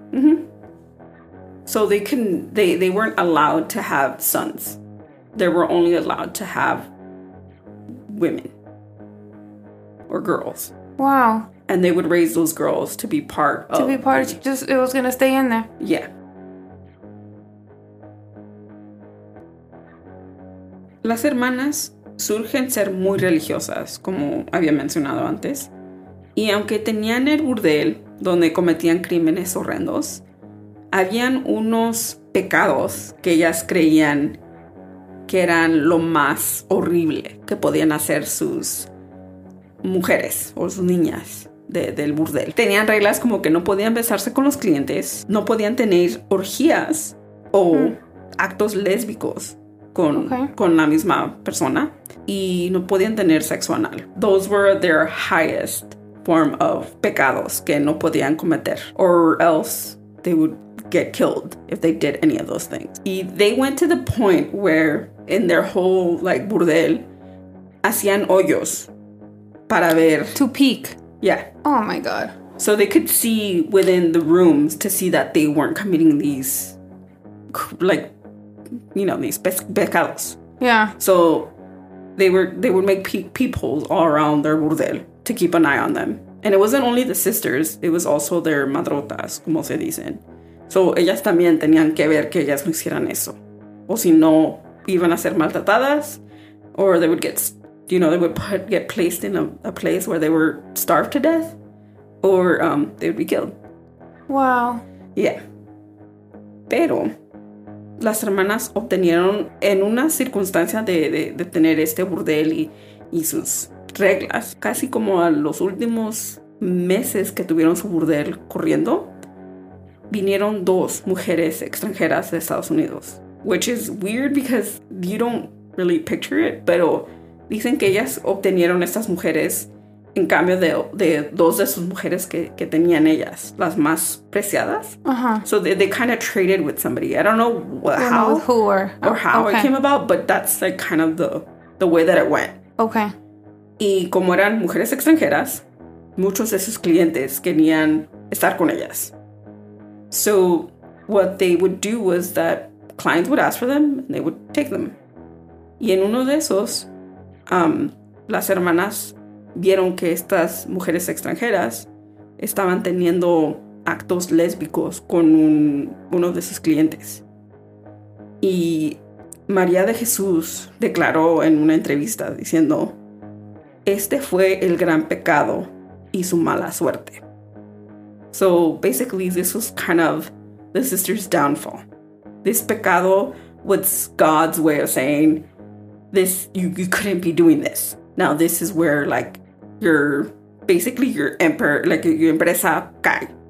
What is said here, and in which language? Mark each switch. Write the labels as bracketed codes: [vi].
[en] Mm-hmm. So they weren't allowed to have sons. They were only allowed to have women or girls. Wow. And they would raise those girls to be part of... To be part of... Just, it was going to stay in there. Yeah. [es] Las hermanas surgen ser muy religiosas, como había mencionado antes. Y aunque tenían el burdel donde cometían crímenes horrendos, habían unos pecados que ellas creían que eran lo más horrible que podían hacer sus mujeres o sus niñas del burdel. Tenían reglas como que no podían besarse con los clientes, no podían tener orgías o actos lésbicos con la misma persona y no podían tener sexo anal. [en] Those were their highest form of pecados [es] que no podían cometer, [en] or else they would get killed if they did any of those things. Y they went to the point where in their whole, like, burdel, [es] hacían hoyos para ver... [en] To peek. Yeah. Oh, my God. So they could see within the rooms to see that they weren't committing these, like, you know, these pecados. Yeah. So they would make peepholes all around their burdel to keep an eye on them. And it wasn't only the sisters. It was also their madrotas, [es] como se dicen. So, ellas también tenían que ver que ellas no hicieran eso. O si no, iban a ser maltratadas. [en] Or they would get, you know, they would get placed in a place where they were starved to death. Or they would be killed. Wow. Yeah. [es] Pero, las hermanas obtenieron en una circunstancia de tener este burdel y sus reglas. Casi como a los últimos meses que tuvieron su burdel corriendo, vinieron dos mujeres extranjeras de Estados Unidos. [en] Which is weird because you don't really picture it. [es] Pero dicen que ellas obtenieron estas mujeres en cambio de dos de sus mujeres que tenían ellas. Las más preciadas. Uh-huh. [en] So they kind of traded with somebody. I don't know how it came about. But that's like kind of the way that it went. Okay. [es] Y como eran mujeres extranjeras, muchos de sus clientes querían estar con ellas. [en] So what they would do was that clients would ask for them and they would take them. [es] Y en uno de esos, las hermanas vieron que estas mujeres extranjeras estaban teniendo actos lésbicos con uno de sus clientes. Y María de Jesús declaró en una entrevista diciendo, este fue el gran pecado y su mala suerte. [en] So, basically, this was kind of the sister's downfall. This pecado was God's way of saying, this, you couldn't be doing this. Now this is where like your basically your emperor, like your [es] empresa cae.